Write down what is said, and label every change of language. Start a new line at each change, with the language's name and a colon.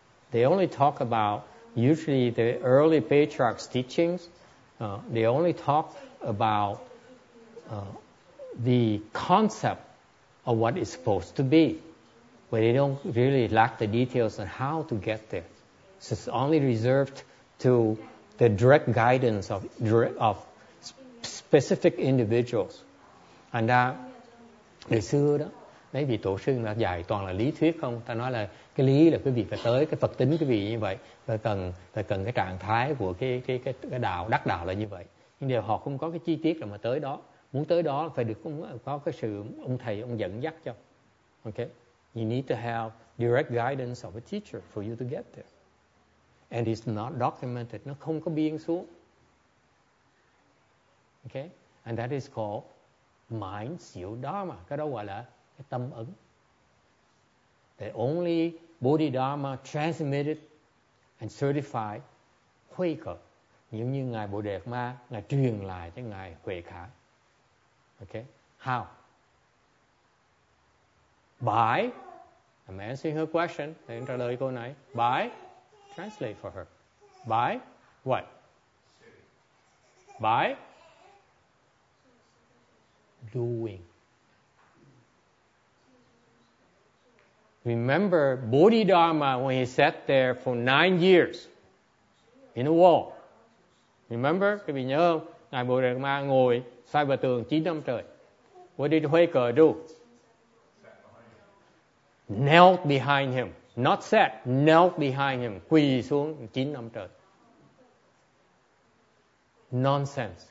English: They only talk about, usually the early patriarchs' teachings, they only talk about the concept of what it's supposed to be. But they don't really lack the details on how to get there. So it's only reserved to the direct guidance of specific individuals. And that,
Vietnamese: ngày xưa đó, mấy vị tổ sư đã dạy toàn là lý thuyết không? Ta nói là cái lý là quý vị phải tới cái Phật tính quý vị như vậy, phải cần cái trạng thái của cái đạo, đắc đạo là như vậy. Nhưng điều họ không có cái chi tiết là mà tới đó. Muốn tới đó phải được có cái sự ông thầy, ông dẫn dắt cho.
English: Ok? You need to have direct guidance of a teacher for you to get there. And it's not documented.
Vietnamese: Nó không có biên xuống.
English: Ok? And that is called mind siêu dharma.
Vietnamese: Cái đó gọi là cái tâm ấn.
English: The only Bodhidharma transmitted and certified Huệ Khả.
Vietnamese: Giống như ngài Bồ Đề Ma, ngài truyền lại cho ngài Huệ Khả.
English: Okay? How? By? I'm answering her question.
Vietnamese: Thầy trả lời cô này.
English: By? Translate for her. By? What? By? Doing. Remember Bodhidharma when he sat there for 9 years in a wall. Remember?
Vietnamese: Quý vị nhớ không? Ngài Bodhidharma ngồi sai vào tường 9 năm trời.
English: What did Huệ Cờ do? Knelt behind him. Not sat, knelt behind him.
Vietnamese: Quỳ xuống 9 năm trời.
English: Nonsense.